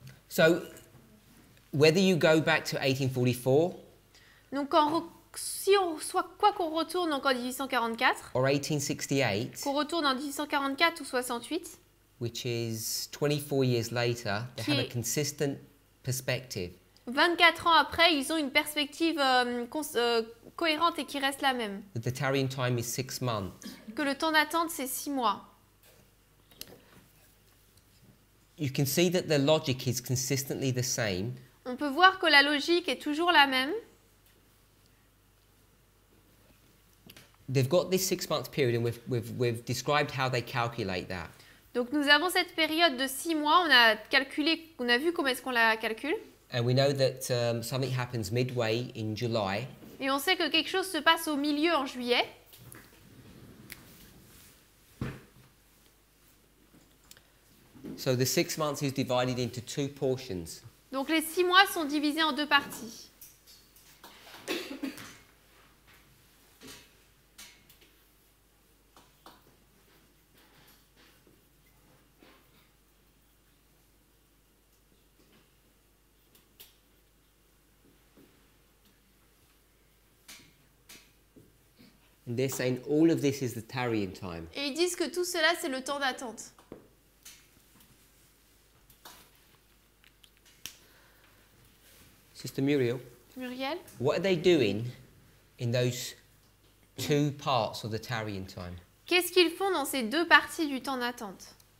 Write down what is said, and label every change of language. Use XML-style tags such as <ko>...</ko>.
<en>So, whether you go back to 1844,</en> <fr>donc soit qu'on retourne encore 1844,</fr> <en>or 1868,</en> <fr>qu'on retourne en 1844 ou 68,</fr> <en>which is 24 years later, they have a consistent perspective.</en> <fr>24 ans après, ils ont une perspective cohérente et qui reste la même.</fr> <en>That the tarrying time is 6 months.</en> <fr>Que le temps d'attente, c'est 6 mois.</fr> <en>You can see that the logic is consistently the same.</en> <fr>On peut voir que la logique est toujours la même.</fr> <en>They've got this 6 month period and we've described how they calculate that.</en> <fr>Donc nous avons cette période de 6 mois, on a calculé, on a vu comment est-ce qu'on la calcule.</fr> <en>And we know that something happens midway in July.</en> <fr>Et on sait que quelque chose se passe au milieu en juillet.</fr> <en>So the 6 months is divided into two portions.</en> <fr>Donc les 6 mois sont divisés en deux parties.</fr> <en>And they're saying all of this is the tarrying time.</en> <fr>Et ils disent que tout cela c'est le temps d'attente.</fr> <en>Sister Muriel.</en> <fr>Muriel.</fr> <en>What are they doing in those two parts of the tarrying time?</en> <fr>Qu'est-ce qu'ils font dans ces deux parties du temps d'attente?</fr>